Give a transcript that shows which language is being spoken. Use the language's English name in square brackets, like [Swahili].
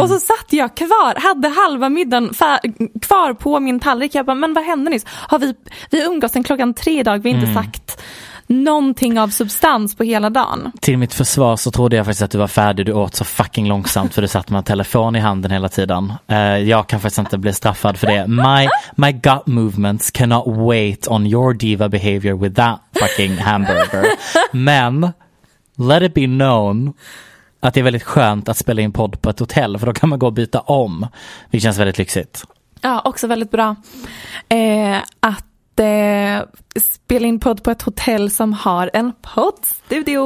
[Swedish] Och så satt jag kvar, hade halva middagen kvar på min tallrik. Men vad hände nyss? Har vi umgås en klockan 3 dag, vi har inte sagt någonting av substans på hela dagen. Till mitt försvar så trodde jag faktiskt att du var färdig. Du åt så fucking långsamt för du satt med en telefon i handen hela tiden. Jag kan faktiskt inte bli straffad för det. [English] My gut movements cannot wait on your diva behavior with that fucking hamburger. [Swedish] Men [English] let it be known [Swedish] att det är väldigt skönt att spela in podd på ett hotell, för då kan man gå och byta om. Det känns väldigt lyxigt. Ja, också väldigt bra att spela in podd på ett hotell som har en poddstudio.